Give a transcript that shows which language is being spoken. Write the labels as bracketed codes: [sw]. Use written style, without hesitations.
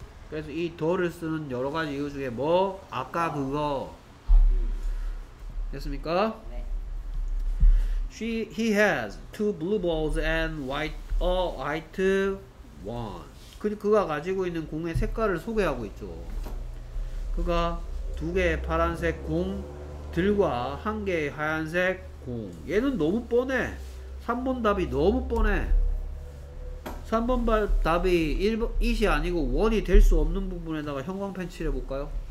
[ko] 그래서 이 더를 쓰는 여러 가지 이유 중에 뭐? 아까 그거. 됐습니까? 네. [en] He has two blue balls and white one. [ko] 그가 가지고 있는 공의 색깔을 소개하고 있죠. 그가 두 개의 파란색 공들과 한 개의 하얀색 공. 얘는 너무 뻔해. 3번 답이 너무 뻔해. 3번 답이 1번, it이 아니고 1이 될 수 없는 부분에다가 형광펜 칠해볼까요?